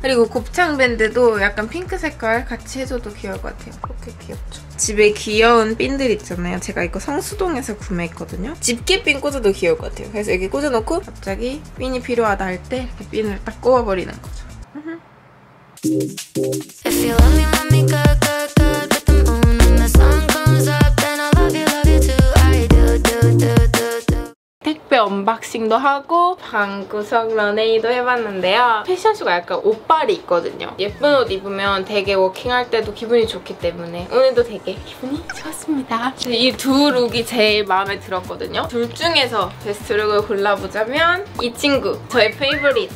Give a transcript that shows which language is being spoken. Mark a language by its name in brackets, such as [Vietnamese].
[Korean] 그리고 곱창 밴드도 약간 핑크 색깔 같이 해줘도 귀여울 것 같아요. 포켓 귀엽죠? 집에 귀여운 핀들 있잖아요. 제가 이거 성수동에서 구매했거든요. 집게핀 꽂아도 귀여울 것 같아요. 그래서 여기 꽂아놓고 갑자기 핀이 필요하다 할 때 이렇게 핀을 딱 꼽아버리는 거죠. [English] If you love me, mommy, good, good, good. With the moon and the sun comes up. Then I love you too. I do, do, do, do, do. [Korean] 택배 언박싱도 하고 방구석 런웨이도 해봤는데요. 패션쇼가 약간 옷빨이 있거든요. 예쁜 옷 입으면 되게 워킹할 때도 기분이 좋기 때문에 오늘도 되게 기분이 좋았습니다. 이 두 룩이 제일 마음에 들었거든요. 둘 중에서 베스트룩을 골라보자면 이 친구, 저의 페이보릿.